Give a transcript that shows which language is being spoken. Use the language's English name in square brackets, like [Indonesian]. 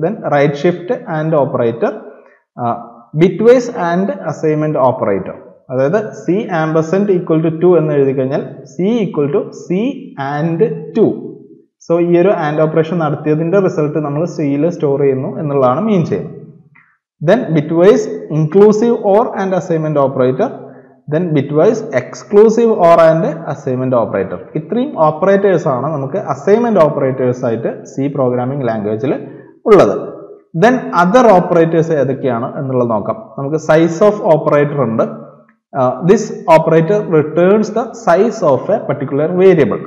[English] Then right shift and operator, bit wise and assignment operator. [Malayalam] അതായത് C ആംബസെന്റ് equal to to എന്ന് എഴുതി കഴിഞ്ഞാൽ [English] C equal to C and two. [Malayalam] So ഈ ഒരു and operation നടത്തിയതിൻ്റെ result നമ്മൾ സിയിൽ സ്റ്റോർ ചെയ്യുന്നു എന്നുള്ളതാണ് മീൻ ചെയ്യുന്നത്. [English] Then bitwise inclusive OR and assignment operator. Then bitwise exclusive OR and assignment operator. [Malayalam] ഇത്രയും ഓപ്പറേറ്റേഴ്സ് ആണ് നമുക്ക് അസൈൻമെന്റ് ഓപ്പറേറ്റേഴ്സ് ആയിട്ട് സി പ്രോഗ്രാമിംഗ് ലാംഗ്വേജിൽ ഉള്ളത്. ദെൻ അതർ ഓപ്പറേറ്റേഴ്സ് ഏതൊക്കെയാണ് എന്നുള്ളത് നോക്കാം. നമുക്ക് സൈസ് ഓഫ് ഓപ്പറേറ്റർ ഉണ്ട്. [English] This operator returns the size of a particular variable.